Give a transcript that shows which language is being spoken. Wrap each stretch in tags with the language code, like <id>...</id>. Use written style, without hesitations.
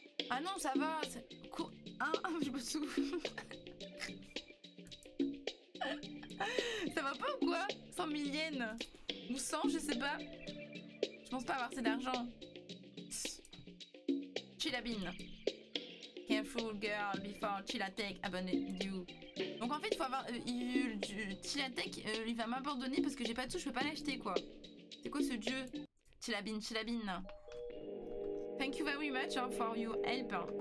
<fr>Ah non, ça va. C'est... Quoi? Hein? Je me souffle. Ça va pas ou quoi? 100 000 yens. Ou 100, je sais pas. Je pense pas avoir assez d'argent. Chilabine.</fr> <en>Careful girl before Chilatex abandoned you.</en> <fr>Donc en fait, il faut avoir. Chilatex, il va m'abandonner parce que j'ai pas de sous, je peux pas l'acheter quoi. C'est quoi ce dieu? Chilabine.</fr> <en>Thank you very much for your help.</en>